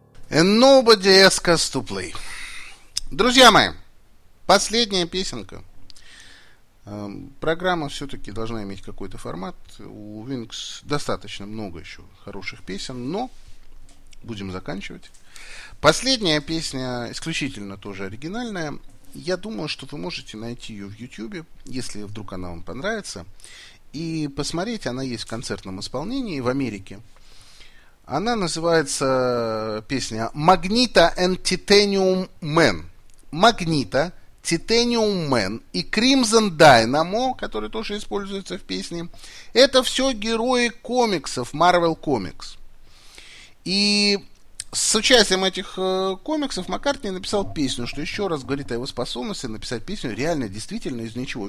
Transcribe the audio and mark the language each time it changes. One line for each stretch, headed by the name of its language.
English: And nobody ask us to play.
Russian: Друзья мои, последняя песенка. Программа все-таки должна иметь какой-то формат. У Wings достаточно много еще хороших песен, но будем заканчивать. Последняя песня исключительно тоже оригинальная. Я думаю, что вы можете найти ее в YouTube, если вдруг она вам понравится. И посмотреть, она есть в концертном исполнении в Америке. Она называется песня «Magneto and Titanium Man». «Magneto», «Titanium Man» и «Crimson Dynamo», который тоже используется в песне, это все герои комиксов Marvel Comics. И с участием этих комиксов Маккартни написал песню, что еще раз говорит о его способности написать песню реально, действительно, из ничего.